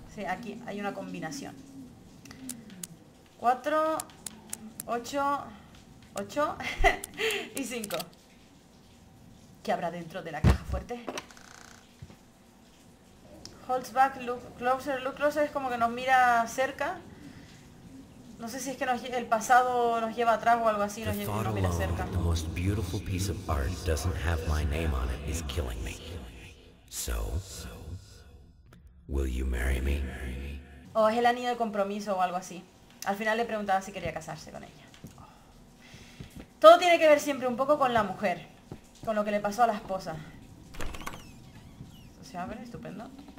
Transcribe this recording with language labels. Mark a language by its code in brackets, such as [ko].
[es] Sí, aquí hay una combinación. 4, 8, 8 y 5. ¿Qué habrá dentro de la caja fuerte? [en] Holds back, look closer [es] es como que nos mira cerca. No sé si es que el pasado nos lleva atrás o algo así, nos lleva nos mira cerca. [en] The most beautiful piece of art doesn't have my name on it is killing me. So, will you marry me? [es] O es el anillo de compromiso o algo así. Al final le preguntaba si quería casarse con ella. Todo tiene que ver siempre un poco con la mujer. Con lo que le pasó a la esposa. Esto se abre, estupendo.